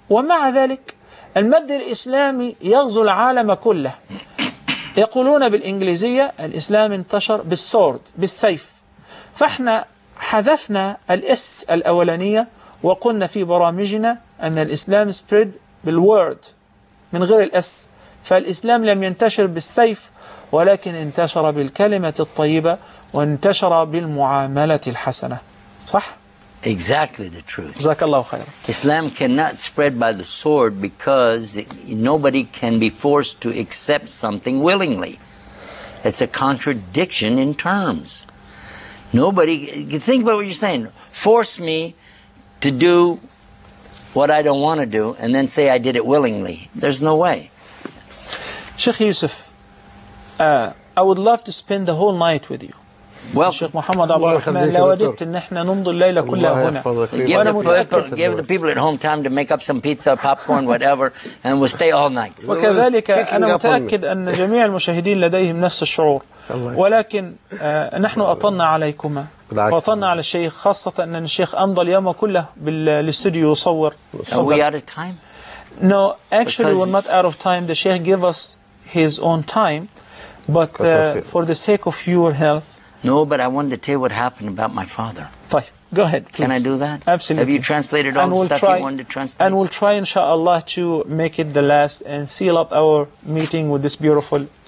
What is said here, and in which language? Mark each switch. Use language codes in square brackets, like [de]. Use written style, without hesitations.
[ar] ومع ذلك المد الإسلامي يغزو العالم كله، يقولون بالإنجليزية الإسلام انتشر بالسورد بالسيف، فإحنا حذفنا الاس الأولانية وقلنا في برامجنا أن الإسلام spread بالword من غير الاس، فالإسلام لم ينتشر بالسيف ولكن انتشر بالكلمة الطيبة وانتشر بالمعاملة الحسنة. صح؟ [en] Exactly the truth. [ar] جزاك الله خيرا. [en] Islam cannot spread by the sword because nobody can be forced to accept something willingly. It's a contradiction in terms. Nobody, think about what you're saying. Force me to do what I don't want to do and then say I did it willingly. There's no way. Sheikh Yusuf, I would love to spend the whole night with you. Well, [ar] Sheikh Muhammad Abu Rahman, لو أردت أن نحن نمضي الليلة كلها هنا. [en] Give the people at home time to make up some pizza, popcorn, whatever, and we'll stay all night. [ar] وكذلك أنا متأكد أن جميع المشاهدين لديهم نفس الشعور. ولكن نحن أطلنا عليكما وأطلنا على الشيخ، خاصة أن الشيخ أمضى اليوم كله بالاستوديو يصور. [en] Are we out of time? No, actually we're not out of time. The Sheikh gave us his own time, but for the sake of your health. No, but I wanted to tell you what happened about my father. طيب, go ahead, please. Can I do that? Absolutely. Have you translated all we'll the stuff you wanted to translate? And we'll try, inshallah, to make it the last and seal up our meeting with this beautiful...